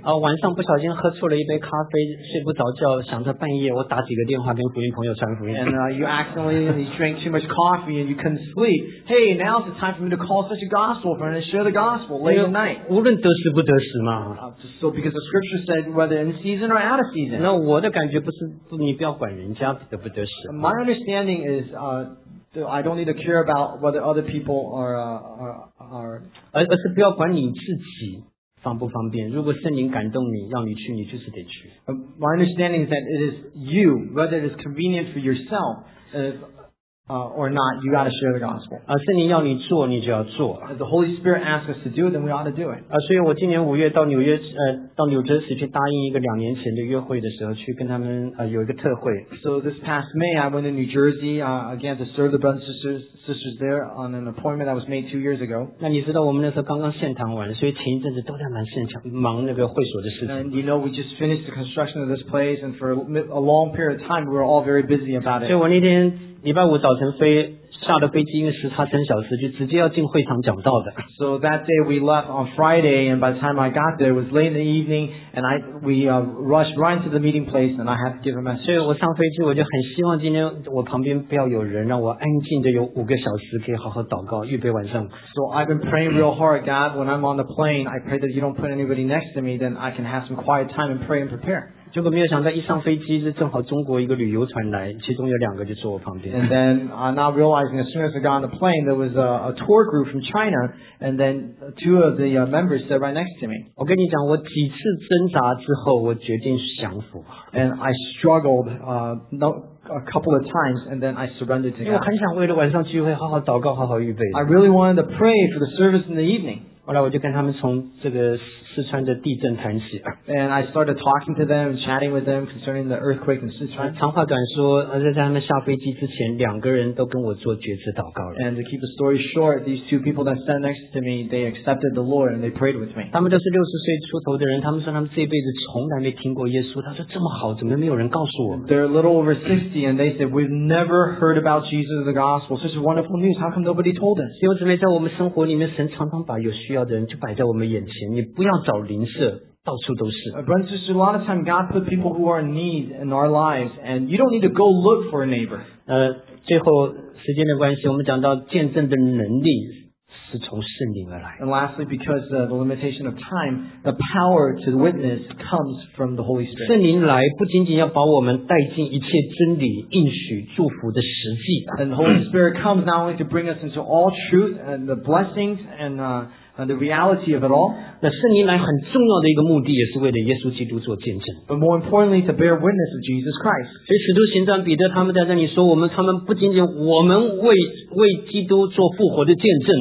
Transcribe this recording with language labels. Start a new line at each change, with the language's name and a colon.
Chinese: 晚上不小心喝错了一杯咖啡，睡不着觉，想着半夜我打几个电话跟福音朋友传福音。
English: And you accidentally drank too much coffee and you couldn't sleep. Hey, now's the time for me to call such a gospel friend and share the gospel late at night.
Chinese: 无论得时不得时嘛。
English: So because the scripture said whether in season or out of season.
Chinese: 那我的感觉不是你不要管人家得不得时。
English: My understanding is, I don't need to care about whether other people are.
Chinese: 而是不要管你自己。方不方便，如果圣灵感动你让你去，你就是得去。
English: My understanding is that it is you, whether it is convenient for yourself or not, you got to share the gospel.
Chinese: 圣灵要你做你就要做。
English: If the Holy Spirit asks us to do it, then we ought to do it.
Chinese: 所以我今年五月到纽约到纽泽西去答应一个两年前的约会的时候去跟他们有一个特会。
English: So this past May, I went to New Jersey, again to serve the brothers and sisters there on an appointment that was made 2 years ago.
Chinese: 那你知道我们那时候刚刚献堂完，所以前一阵子都在忙献堂，忙那个会所的事情。
English: And you know, we just finished the construction of this place, and for a long period of time, we were all very busy about it.
Chinese: 所以我那天礼拜五早晨飞下的飞机，因为时差3小时，就直接要进会场讲道的。
English: So that day we left on Friday, and by the time I got there, it was late in the evening, and we rushed right into the meeting place, and I had to give a message.
Chinese: 所以我上飞机我就很希望今天我旁边不要有人，让我安静的有5个小时可以好好祷告，预备晚上。
English: So I've been praying real hard, God. When I'm on the plane, I pray that you don't put anybody next to me, then I can have some quiet time and pray and prepare.
Chinese: 结果没有想到一上飞机是正好中国一个旅游船来，其中有两个就坐我旁边。
English: And then, not realizing as soon as I got on the plane, there was a tour group from China, and then two of the members sat right next to me.
Chinese: 我跟你讲，我几次挣扎之后，我决定降服。
English: And I struggled, a couple of times, and then I surrendered to God.
Chinese: 因为我很想为了晚上聚会好好祷告，好好预备。
English: I really wanted to pray for the service in the evening.
Chinese: 后来我就跟他们从这个四川的地震谈起。
English: And I started talking to them, chatting with them concerning the earthquake in Sichuan.
Chinese: 长话短说，在他们下飞机之前，两个人都跟我做决志祷告了。
English: And to keep the story short, these two people that sat next to me, they accepted the Lord and they prayed with me.
Chinese: 他们都是60岁出头的人，他们说他们这辈子从来没听过耶稣。他说这么好，怎么没有人告诉我
English: ？They're a little over 60 and they said we've never heard about Jesus the gospel. Such a wonderful news. How come nobody told us?
Chinese: 因为姊妹在我们生活里面，神常常把有需要的人就摆在我们眼前，你不要找邻舍，到处都是。
English: Brothers and sisters, a lot of time God put people who are in need in our lives, and you don't need to go look for a neighbor.
Chinese: 最后时间的关系，我们讲到见证的能力是从圣灵而来。
English: And lastly, because of the limitation of time, the power to witness comes from the Holy Spirit.
Chinese: 圣灵来不仅仅要把我们带进一切真理、应许、祝福的实际。
English: And the Holy Spirit comes not only to bring us into all truth and the blessings and the reality of it all.
Chinese: 那圣灵来很重要的一个目的也是为了耶稣基督做见证。
English: But more importantly, to bear witness of Jesus Christ.
Chinese: 所以使徒行传彼得他们在那里说，他们不仅仅我们为基督做复活的见证。